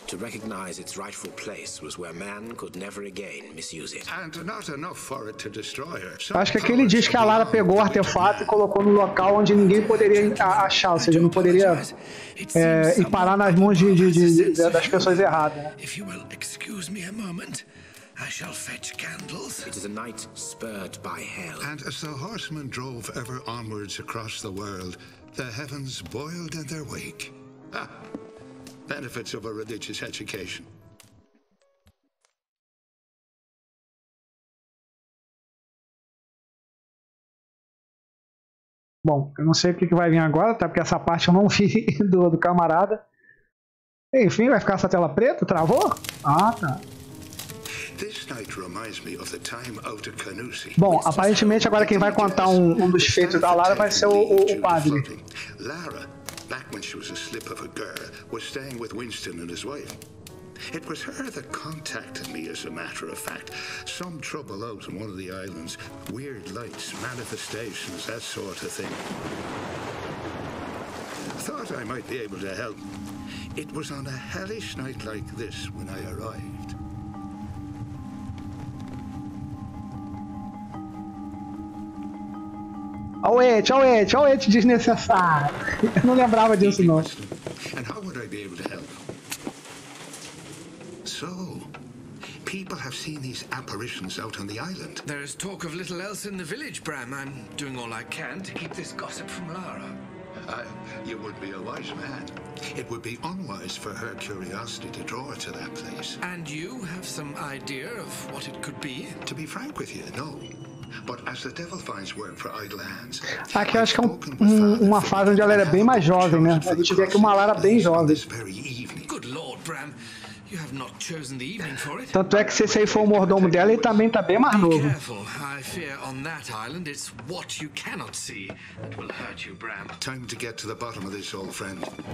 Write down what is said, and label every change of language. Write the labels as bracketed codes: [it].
[en] To recognize its rightful place was where man could never again misuse it. And not enough for it to destroy her. [pt] Acho que aquele diz que a Lara pegou o artefato e colocou no local onde ninguém poderia achar, ou seja, não poderia ir parar nas mãos das pessoas erradas. [en] If you will excuse me a moment, I shall fetch candles. It is a night spurred by hell. And as the horsemen drove ever onwards across the world, the heavens boiled in their wake. Benefits of a religious education. [pt] Bom, eu não sei o que vai vir agora, tá? Porque essa parte eu não vi do camarada. Enfim, vai ficar essa tela preta? Travou? Ah, tá. [en] This night reminds me of the time out of Canusi. [pt] Bom, aparentemente agora quem vai contar um dos feitos da Lara vai ser o padre. [en] Lara, back when she was a slip of a girl, was staying with Winston and his wife. It was her that contacted me, as a matter of fact. Some trouble out on one of the islands. Weird lights, manifestations, that sort of thing. Thought I might be able to help. It was on a hellish night like this when I arrived. [pt] Olha o Ed desnecessário. Eu não lembrava disso, não. [en] And how would I be able to help? So, people have seen these apparitions out on the island. There is talk of little else in the village, Bram. I'm doing all I can to keep this gossip from Lara. You would be a wise man. It would be unwise for her curiosity to draw her to that place. And you have some idea of what it could be? To be frank with you, no. But as the devil finds work for idle hands. [pt] Aqui acho que é uma fase onde a Lara é bem mais jovem, né? A gente vê aqui uma Lara bem jovem. [en] Good Lord, Bram. You have not chosen the evening for it. [pt] Tanto é que se esse aí for o mordomo dela, ele também tá bem mais novo. [en] I fear on that island it's what you cannot see that will hurt you, Bram. Time to get to the bottom of this, old friend.